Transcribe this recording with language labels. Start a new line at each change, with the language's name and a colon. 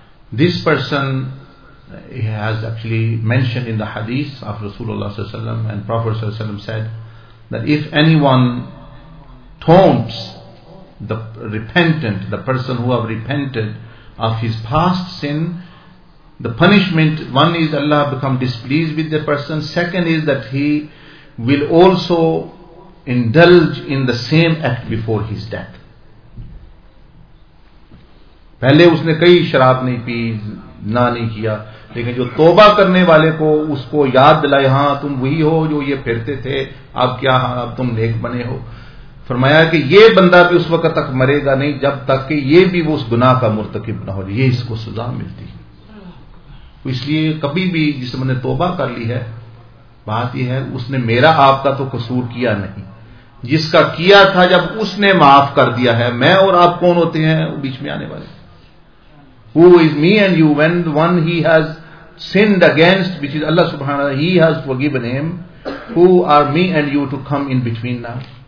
English: This person has actually mentioned in the hadith of Rasulullah صلی اللہ علیہ وسلم, and Prophet صلی اللہ علیہ وسلم said that if anyone taunts the repentant, the person who have repented of his past sin, the punishment, one is Allah become displeased with the person, second is that he will also indulge in the same act before his death.
Urdu: پہلے اس نے کئی شراب نہیں پی, نہ نہیں کیا, لیکن جو توبہ کرنے والے کو اس کو یاد دلائے ہاں تم وہی ہو جو یہ پھرتے تھے, اب کیا ہاں اب تم نیک بنے ہو. فرمایا کہ یہ بندہ بھی اس وقت تک مرے گا نہیں جب تک کہ یہ بھی وہ اس گناہ کا مرتکب نہ ہو, یہ اس کو سزا ملتی ہے. اس لیے کبھی بھی جس نے توبہ کر لی ہے, بات یہ ہے اس نے میرا آپ کا تو قصور کیا نہیں, جس کا کیا تھا جب اس نے معاف کر دیا ہے, میں اور آپ کون ہوتے ہیں بیچ میں آنے والے.
English: Who is me and you when one he has sinned against, which is Allah subhanahu wa ta'ala, he has forgiven him, who are me and you to come in between now.